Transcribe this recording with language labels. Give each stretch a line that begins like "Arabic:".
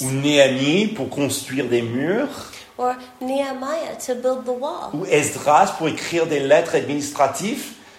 French: Ou Néhémie pour construire des murs.
English: Or Nehemiah to build the wall.
French: Ou Esdras pour écrire des lettres administratives.